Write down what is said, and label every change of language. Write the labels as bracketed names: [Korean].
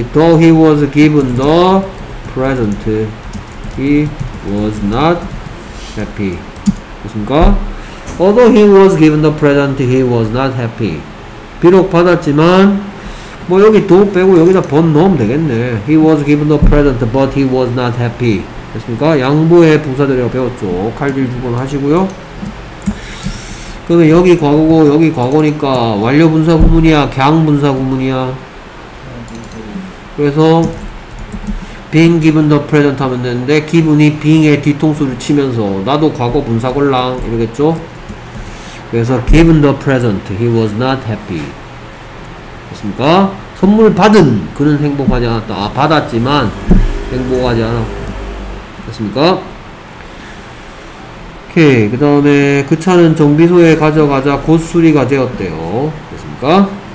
[English] Though he was given the present, he was not happy. [Korean] 그렇습니까? [English] Although he was given the present, he was not happy. [Korean] 비록 받았지만, 뭐 여기 do 빼고 여기다 번 넣으면 되겠네. [English] He was given the present, but he was not happy. [Korean] 됐습니까? 양보의 부사들이라고 배웠죠. 칼질 두 번 하시고요. 그러면 여기 과거고 여기 과거니까 완료분사 구문이야? 갸항분사 구문이야? 그래서 [English] being given the present [Korean] 하면 되는데 기분이 being의 뒤통수를 치면서 나도 과거분사걸랑 이러겠죠? 그래서 [English] given the present, he was not happy. [Korean] 됐습니까? 선물 받은 그는 행복하지 않았다. 아, 받았지만 행복하지 않았다. 됐습니까? 오케이. 그 다음에 그 차는 정비소에 가져가자 곧 수리가 되었대요. 됐습니까?